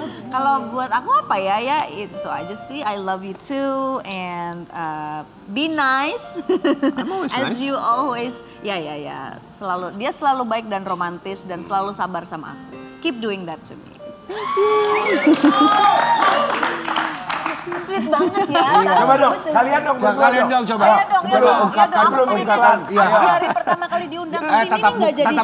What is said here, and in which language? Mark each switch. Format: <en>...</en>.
<id>Kalau buat aku apa ya, ya itu aja sih.</id> <en>I love you too and be nice. I'm always as nice. You always. Ya.</en> <id>Selalu dia selalu baik dan romantis dan selalu sabar sama aku.</id> <en>Keep doing that to me.</en> <id>Sweet banget ya. Coba dong, kalian dong, coba. Sebelum ungkapkan, dari pertama kali diundang ke sini ini enggak jadi jadian.</id>